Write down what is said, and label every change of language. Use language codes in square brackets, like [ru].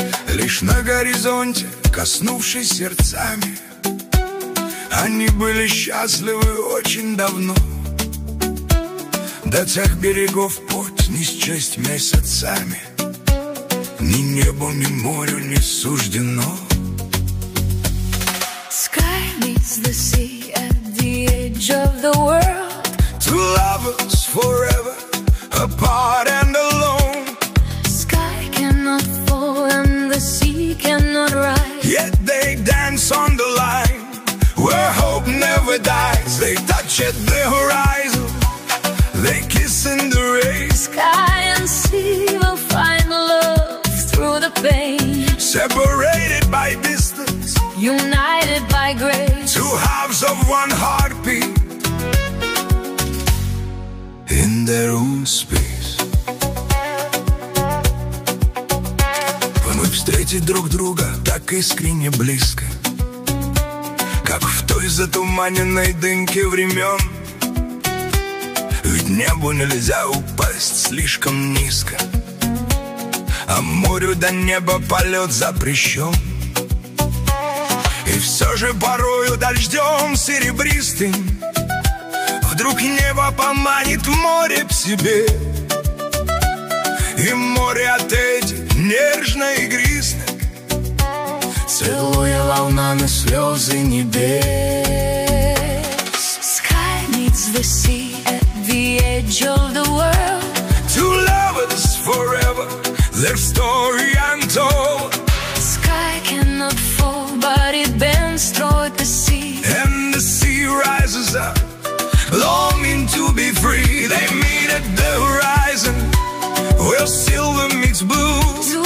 [ru] Лишь на горизонте, коснувшись сердцами, они были счастливы очень давно. До тех берегов путь не счесть месяцами, ни небу, ни морю не суждено. [en] Sky meets the sea at the edge of the world. Two lovers forever, apart and alone. Sky cannot fall and the sea cannot rise. Yet they dance on the line where hope never dies. They touch at the horizon, they kiss in the rain. Sky and sea will find love through the pain. Separated by distance, united by grace. Two halves of one heartbeat in their own space. [ru] Мы встретить друг друга так искренне близко, как в той затуманенной дымке времен. Ведь небу нельзя упасть слишком низко, а морю до неба полет запрещен. И все же порою дождем серебристым вдруг небо поманит море к себе. И море ответит нежно и игристо, целуя волнами слезы небес. [en] Sky meets the sea at the edge of the world. Two lovers forever, their story untold. Sky cannot fall, but it bends toward the sea. And the sea rises up, longing to be free. They meet at the horizon, where silver meets blue.